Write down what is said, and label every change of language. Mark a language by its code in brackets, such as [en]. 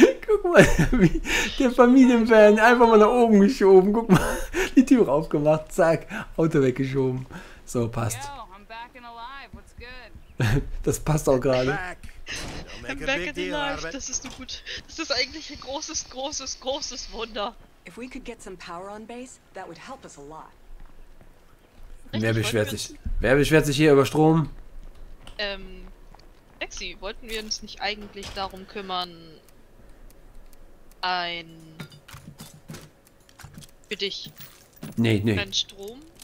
[de] Guck mal, wie der Familienfan einfach mal nach oben geschoben. Guck mal, die Tür aufgemacht, zack, Auto weggeschoben. So, passt. [en] Yo, I'm back and alive. What's good? [de] Das passt auch gerade. [en] I'm back and alive, [de] das ist gut. Das ist eigentlich ein großes Wunder. [en] If we could get some power on base, that would help us a lot. [de] Wer beschwert sich hier über Strom? Lexi, wollten wir uns nicht eigentlich darum kümmern, ein für dich. Nee. Ein Strom.